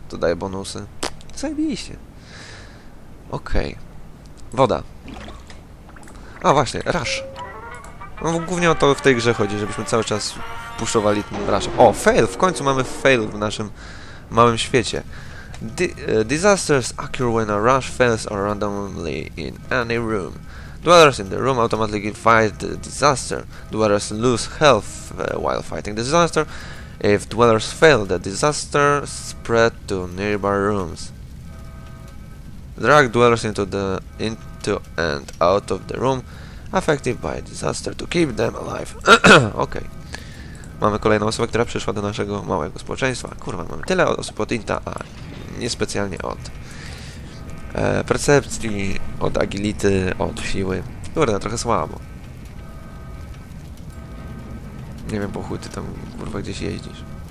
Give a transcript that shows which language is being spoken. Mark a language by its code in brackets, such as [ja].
[pl] To daje bonusy. Zajebiście. Okej. Okay. Woda. A właśnie, rush. No, głównie o to w tej grze chodzi, żebyśmy cały czas puszowali ten rush. O, fail! W końcu mamy fail w naszym małym świecie. [en] Disasters occur when a rush fails or randomly in any room. Dwellers in the room automatically fight the disaster. Dwellers lose health while fighting the disaster. If dwellers fail, the disaster spread to nearby rooms. Drag dwellers into and out of the room affected by disaster to keep them alive. Okay. [pl] Mamy kolejną osobę, która przyszła do naszego małego społeczeństwa. Kurwa, mamy tyle osób od Inta, a niespecjalnie od percepcji, od agility, od siły. Kurde, trochę słabo. Nie wiem, po chuj ty tam, kurwa, gdzieś jeździsz.